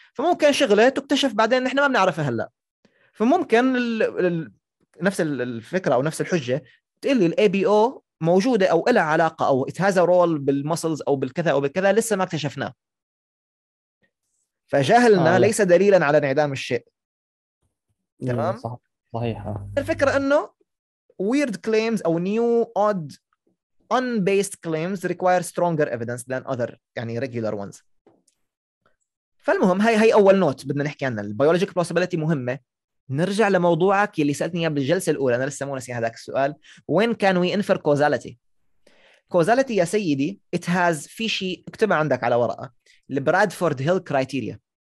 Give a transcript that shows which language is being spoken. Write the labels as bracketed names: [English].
[Arabic] فممكن شغلة تكتشف بعدين نحن ما بنعرفها هلأ. فممكن نفس الفكرة أو نفس الحجة تقول لي الاي بي او موجودة أو إلها علاقة أو إتهازة رول بالمسلز أو بالكذا أو بالكذا لسه ما اكتشفناه, فجهلنا ليس دليلا على انعدام الشيء. تمام, صحيح. [English] الفكرة أنه weird claims أو new odd unbased claims require stronger evidence than other يعني regular ones. [Arabic] فالمهم هاي أول نوت بدنا نحكي عنها, البيولوجيكال بلوسيبلتي مهمة. نرجع لموضوعك اللي سألتني إياه بالجلسة الأولى, أنا لسه مو نسي هذاك السؤال, [English] when can we infer causality. [Arabic] causality يا سيدي it has, في شيء اكتبه عندك على ورقة, البرادفورد هيل كرايتيريا.